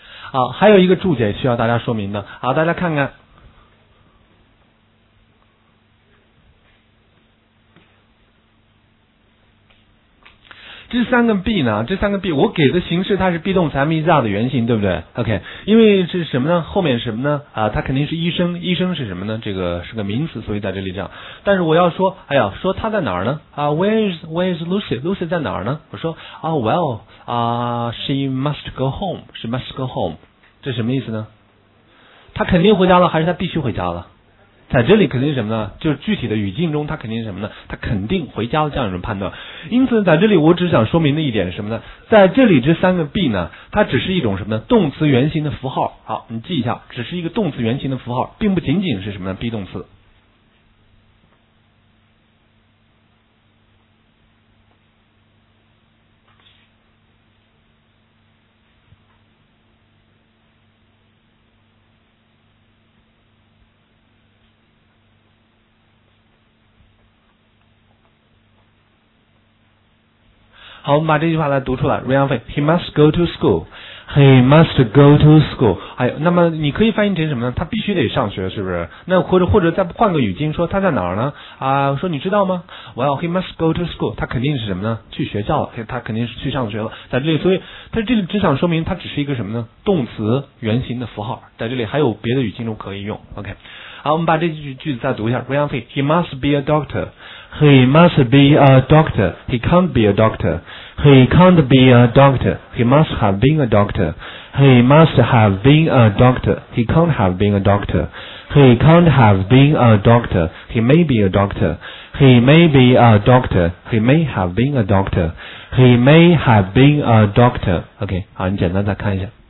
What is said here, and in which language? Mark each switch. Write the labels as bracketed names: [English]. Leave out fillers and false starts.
[Chinese] 好，还有一个注解需要大家说明的。好，大家看看，这三个 be 呢？这三个 be 我给的形式它是 be 动词 am is are 的原型，对不对 ？OK， 因为是什么呢？后面什么呢？啊，它肯定是医生，医生是什么呢？这个是个名词，所以在这里这样。但是我要说，哎呀，说他在哪儿呢？ [English] 啊 ，where is Lucy？ Lucy [Chinese] 在哪儿呢？我说啊 [English] ，well 啊 ，she must go home， she must go home， [Chinese] 这什么意思呢？他肯定回家了，还是他必须回家了？在这里肯定是什么呢？就是具体的语境中，他肯定是什么呢？他肯定回家了，这样一种判断。因此，在这里我只想说明的一点是什么呢？在这里这三个 be 呢，它只是一种什么呢？动词原形的符号。好，你记一下，只是一个动词原形的符号，并不仅仅是什么呢 ？be 动词。好，我们把这句话来读出来。 [English] Ryan Fei， He must go to school. He must go to school. [Chinese] 还有，那么你可以翻译成什么呢？他必须得上学，是不是？那或者再换个语境说，他在哪儿呢？ [English] 啊， [Chinese] 说你知道吗 [English] ？Well, he must go to school. [Chinese] 他肯定是什么呢？去学校了，他肯定是去上学了，在这里。所以在这里只想说明，他只是一个什么呢？动词原形的符号，在这里还有别的语境中可以用。OK，好，我们把这句句子再读一下。 [English] Ryan Fei, he must be a doctor. He must be a doctor. He can't be a doctor. He can't be a doctor. He must have been a doctor. He must have been a doctor. He can't have been a doctor. He can't have been a doctor. He may be a doctor. He may be a doctor. He may have been a doctor. He may have been a doctor. [Chinese] OK, 好，你简单再看一下。